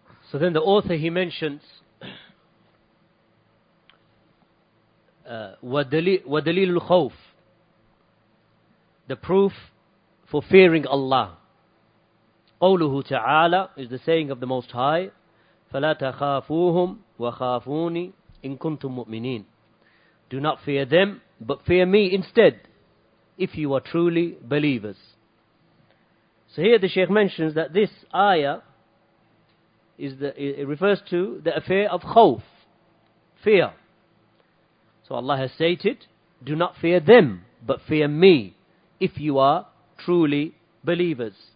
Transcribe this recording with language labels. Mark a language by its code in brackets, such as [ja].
[en] So then the author, he mentions [ar] ودليل الخوف, [en] the proof for fearing Allah. [ar] قوله تعالى [en] is the saying of the Most High, [ar] فلا تخافوهم وخافوني إن كنتم مؤمنين. [en] Do not fear them, but fear me instead, if you are truly believers. So here the Shaykh mentions that this ayah is the, it refers to the affair of khawf, fear. So Allah has stated, do not fear them, but fear me, if you are truly believers.